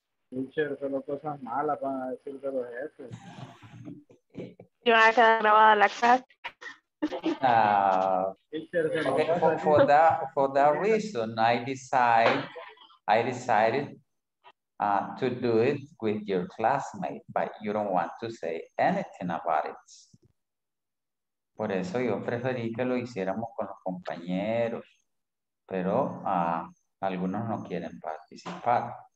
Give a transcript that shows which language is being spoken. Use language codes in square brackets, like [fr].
[es] Teacher, solo cosas malas van a decir de los jefes. Yo voy a quedar grabada la clase. [en] Okay, for that reason, I decided to do it with your classmate, but you don't want to say anything about it. [es] Por eso yo preferí que lo hiciéramos con los compañeros, pero algunos no quieren participar.